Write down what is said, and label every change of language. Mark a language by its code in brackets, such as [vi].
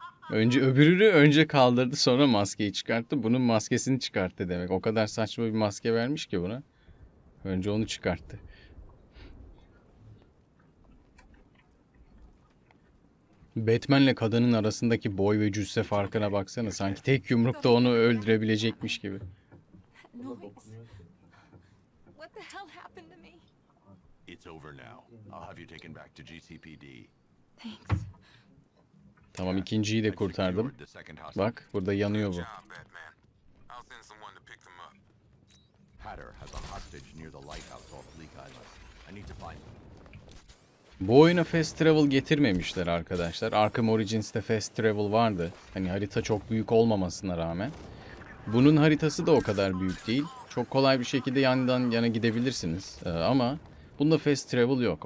[tr] Önce öbürünü önce kaldırdı sonra maskeyi çıkarttı. Bunun maskesini çıkarttı demek. O kadar saçma bir maske vermiş ki buna. Önce onu çıkarttı. Batman'le kadının arasındaki boy ve cüsse farkına baksana. Sanki tek yumrukta onu öldürebilecekmiş gibi. [en] What the hell happened to me? It's over now. I'll have you taken back to GCPD. Thanks. [tr] Tamam, ikinciyi de kurtardım. Bak, burada yanıyor bu. [en] I'll send someone to pick them up. Hatter has a hostage near the lighthouse off Leak Island. I need to find him. [tr] Bu oyuna fast travel getirmemişler arkadaşlar. Arkham Origins'te fast travel vardı. Hani harita çok büyük olmamasına rağmen. Bunun haritası da o kadar büyük değil. Çok kolay bir şekilde yandan yana gidebilirsiniz. Ama bunda fast travel yok.